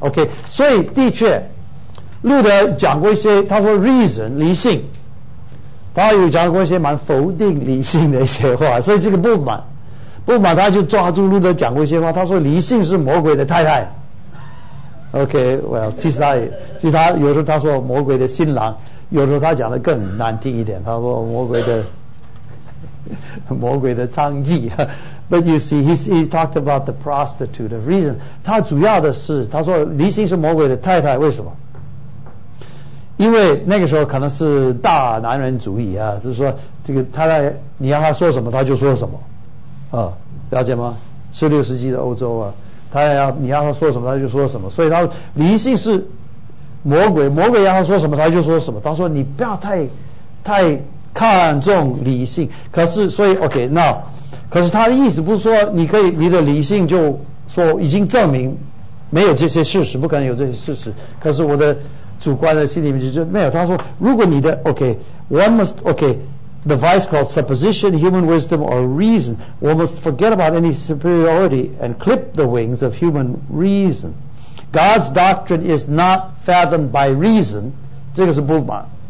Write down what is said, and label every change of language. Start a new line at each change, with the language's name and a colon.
Chinese: OK, 所以的确，路德讲过一些，他说 reason 理性，他有讲过一些蛮否定理性的一些话，所以这个不满，他就抓住路德讲过一些话，他说理性是魔鬼的太太。 OK, well, 其实他有时候他说魔鬼的新郎，有时候他讲的更难听一点，他说魔鬼的娼妓。 But you see, he talked about the prostitute of reason. 他主要的是他说理性是魔鬼的太太，为什么？因为那个时候可能是大男人主义啊，就是说这个他在你要他说什么他就说什么啊，了解吗？十六世纪的欧洲啊，他要你要他说什么他就说什么，所以他理性是魔鬼，魔鬼要他说什么他就说什么，他说你不要太看重理性，可是所以 OK 那可是他的意思不是说你可以你的理性就说已经证明没有这些事实，不可能有这些事实，可是我的主观的心里面就没有，他说如果你的
English: OK one must OK the vice called supposition human wisdom or reason one must forget about any superiority and clip the wings of human reason God's doctrine is not fathomed by reason
Chinese: 这个是
English: Bultmann